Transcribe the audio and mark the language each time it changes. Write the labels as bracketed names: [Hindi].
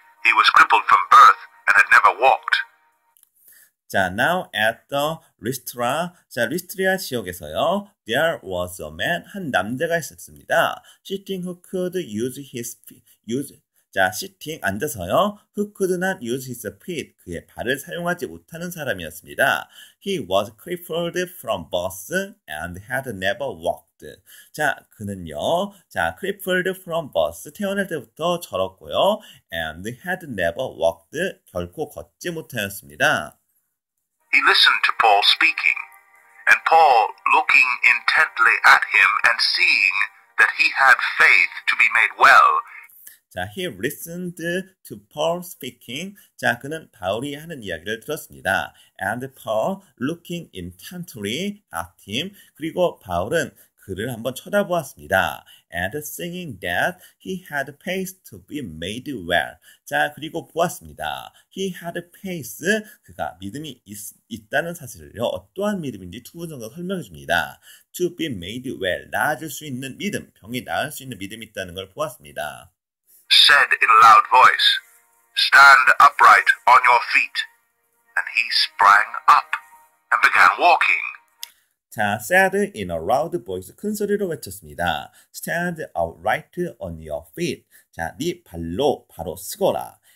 [English] He was crippled from birth and had never walked. 자, now at the Lystra, [Korean] 자, Lystra 지역에서요, [English] there was a man, [Korean] 한 남자가 있었습니다. [English] Sitting who could use his feet, 자, sitting, [Korean] 앉아서요. [English] Who could not use his feet? [Korean] 그의 발을 사용하지 못하는 사람이었습니다. [English] He was crippled from birth and had never walked. [Korean] 자, 그는요. 자, [English] crippled from birth. [Korean] 태어날 때부터 절었고요. [English] And had never walked. [Korean] 결코 걷지 못하였습니다. [English] He listened to Paul speaking. And Paul looking intently at him and seeing that he had faith to be made well. 자, he listened to Paul speaking. [Korean] 자, 그는 바울이 하는 이야기를 들었습니다. [English] And Paul looking intently at him. [Korean] 그리고 바울은 그 그를 한번 쳐다보았습니다. [English] And seeing that he had a face to be made well. [Korean] 자, 그리고 보았습니다. [English] He had a face. [Korean] 그가 믿음이 있다는 사실을요. 어떠한 믿음인지 두 분 정도 설명해 줍니다. [English] To be made well. [Korean] 나아질 수 있는 믿음. 병이 나을 수 있는 믿음이 있다는 걸 보았습니다. [English] Said in a loud voice, Stand upright on your feet. And he sprang up and began walking. 자, said in a loud voice, [Korean] 큰 소리로 외쳤습니다. [English] Stand upright on your feet. [Korean] 자, 네 발로 바로 서거라.